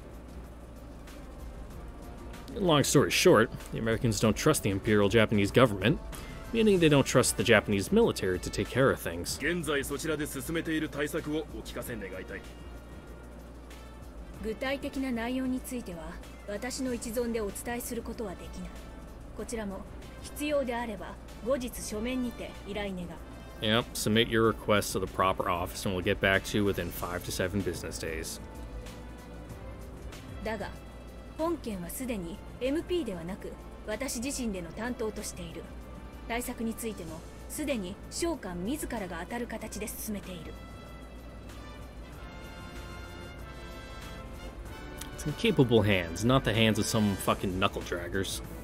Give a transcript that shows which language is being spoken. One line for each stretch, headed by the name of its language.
Japanese: 現在、すでにデモ隊は解散済みだ。デモの規模感について詳細情報が必要であれば、後日書面にて依頼願う。なるほど。だが、一時的な解散では安全保障への懸念を取り除くことはできない。
English: Long story short, the Americans don't trust the Imperial Japanese government, meaning they don't trust the Japanese military to take care of things.
Japanese: 現在そちらで進めている対策をお聞かせ願いたい。具体的な内容については私の一存でお伝えすることはできない。こちらも必要であれば後日書面にて依頼願う。
English: Yep, submit your request to the proper office and we'll get back to you within 5 to 7 business days.
Japanese: だが、本件はすでに MP ではなく私自身での担当としている。対策についてもすでに将官自らが当たる形で進めている。
English: Some capable hands, not the hands of some fucking knuckle draggers.